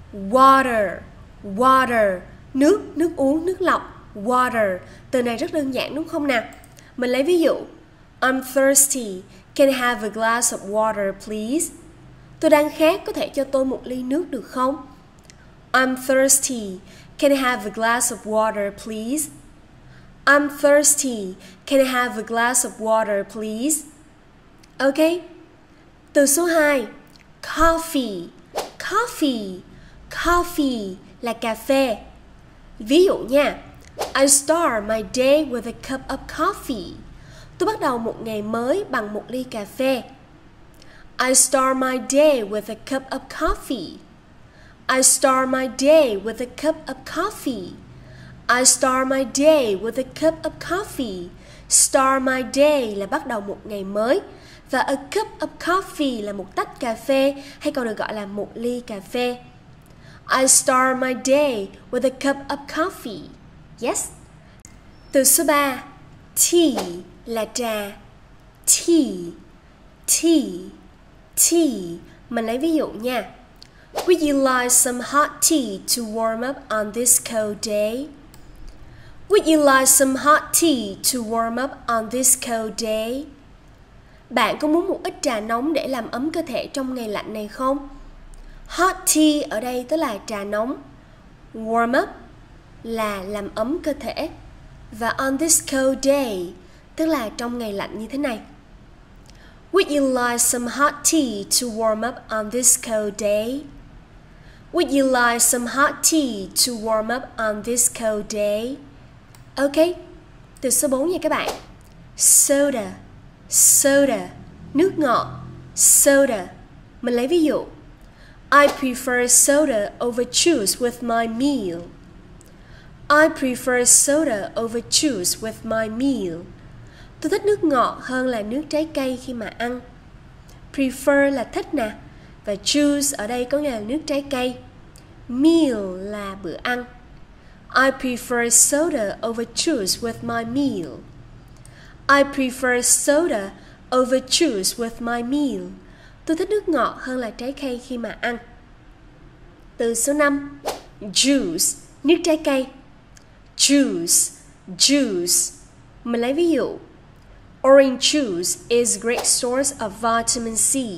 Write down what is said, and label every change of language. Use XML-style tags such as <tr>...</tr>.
<vi>Water, water, nước, nước uống, nước lọc, water. Từ này rất đơn giản đúng không nào? Mình lấy ví dụ,</vi> <en>I'm thirsty, can I have a glass of water please?</en> <vi>Tôi đang khát, có thể cho tôi một ly nước được không?</vi> <en>I'm thirsty, can I have a glass of water please? I'm thirsty, can I have a glass of water please?</en> <vi>Ok, từ số 2, coffee, coffee.</vi> <en>Coffee</en> <vi>là cà phê. Ví dụ nha,</vi> <en>I start my day with a cup of coffee.</en> <vi>Tôi bắt đầu một ngày mới bằng một ly cà phê.</vi> <en>I start my day with a cup of coffee. I start my day with a cup of coffee. I start my day with a cup of coffee. Start my day</en> <vi>là bắt đầu một ngày mới. Và</vi> <en>a cup of coffee</en> <vi>là một tách cà phê, hay còn được gọi là một ly cà phê.</vi> <en>I start my day with a cup of coffee.</en> <vi>Yes. Từ số 3, tea là trà. Tea, tea, tea. Mình lấy ví dụ nha.</vi> <en>Would you like some hot tea to warm up on this cold day? Would you like some hot tea to warm up on this cold day?</en> <vi>Bạn có muốn một ít trà nóng để làm ấm cơ thể trong ngày lạnh này không?</vi> <en>Hot tea</en> <vi>ở đây tức là trà nóng.</vi> <en>Warm up</en> <vi>là làm ấm cơ thể. Và</vi> <en>on this cold day</en> <vi>tức là trong ngày lạnh như thế này.</vi> <en>Would you like some hot tea to warm up on this cold day? Would you like some hot tea to warm up on this cold day?</en> <vi>Ok, từ số 4 nha các bạn. Soda, soda, nước ngọt, soda. Mình lấy ví dụ,</vi> <en>I prefer soda over juice with my meal. I prefer soda over juice with my meal.</en> <vi>Tôi thích nước ngọt hơn là nước trái cây khi mà ăn. Prefer là thích nè. Và juice ở đây có nghĩa là nước trái cây. Meal là bữa ăn.</vi> <en>I prefer soda over juice with my meal. I prefer soda over juice with my meal.</en> <vi>Tôi thích nước ngọt hơn là trái cây khi mà ăn. Từ số 5, juice, nước trái cây.</vi> <en>Juice, juice.</en> <vi>Mình lấy ví dụ,</vi> <en>orange juice is great source of vitamin C.</en>